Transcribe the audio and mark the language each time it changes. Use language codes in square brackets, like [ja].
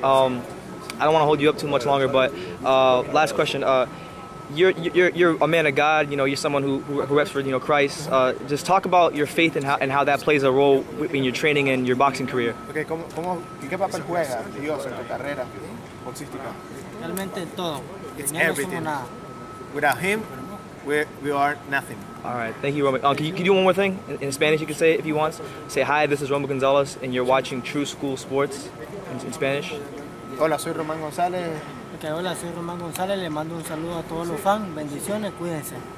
[en] I don't want to hold you up too much longer, but last question. You're a man of God. You know, you're someone who reps for, you know, Christ. Just talk about your faith and how that plays a role in your training and your boxing career. [es] Okay, ¿cómo qué papel juega Dios en tu carrera boxística? Realmente todo. [en] It's everything. Without Him, we are nothing. All right, thank you, Roman. Can you do one more thing in Spanish? You can say it if you want. Say hi. This is Roman Gonzalez, and you're watching True School Sports in Spanish. [es] Hola, soy Román González. Okay, hola, soy Román González. Le mando un saludo a todos los fans. Bendiciones, cuídense.